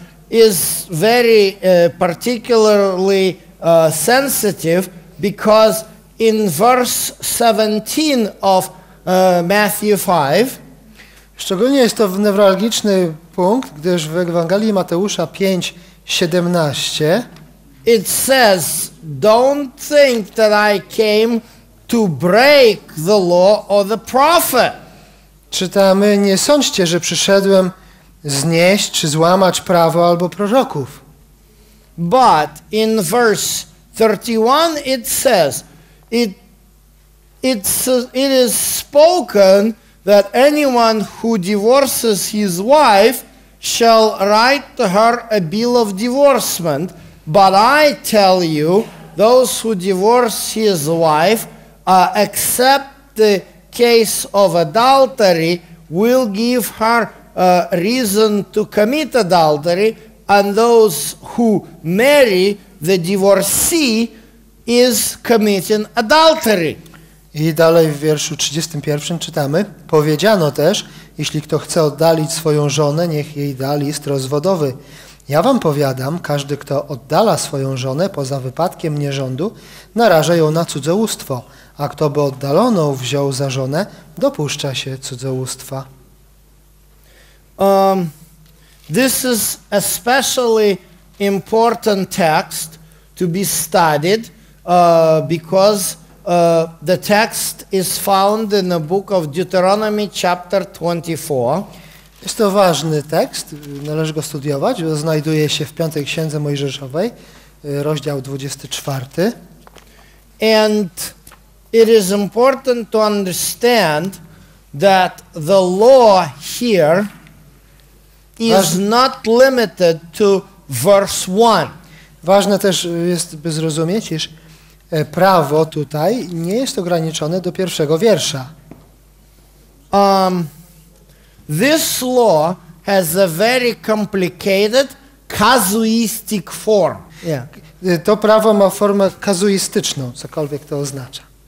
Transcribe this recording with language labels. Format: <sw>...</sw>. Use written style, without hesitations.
<en>Is very particularly sensitive because in verse 17 of Matthew 5.</en> <pl>Szczególnie jest to newralgiczny punkt, gdyż w Ewangelii Mateusza 5:17</pl> <en>it says, "Don't think that I came to break the law or the prophet."</en> <pl>Czytamy: "Nie sądźcie, że przyszedłem znieść czy złamać prawo albo proroków."</pl> <en>But in verse 31 it says it is spoken that anyone who divorces his wife shall write to her a bill of divorcement. But I tell you, those who divorce his wife except the case of adultery will give her reason to commit adultery, and those who marry the divorcee is committing adultery.</en> <pl>I dalej w wierszu 31 czytamy: powiedziano też, jeśli kto chce oddalić swoją żonę, niech jej da list rozwodowy. Ja wam powiadam, każdy, kto oddala swoją żonę poza wypadkiem nierządu, naraża ją na cudzołóstwo, a kto by oddaloną wziął za żonę, dopuszcza się cudzołóstwa.</pl> <en>This is especially important text to be studied because the text is found in the book of Deuteronomy chapter 24.</en> <pl>Jest to ważny tekst, należy go studiować, bo znajduje się w piątej księdze Mojżeszowej, rozdział 24.</pl> <en>And it is important to understand that the law here is not limited to verse 1.</en> <pl>Ważne też jest, by zrozumieć, iż prawo tutaj nie jest ograniczone do pierwszego wiersza.</pl> <en>This law has a very complicated casuistic form. Yeah.</en> <pl>To prawo ma formę kazuistyczną, cokolwiek to oznacza.</pl>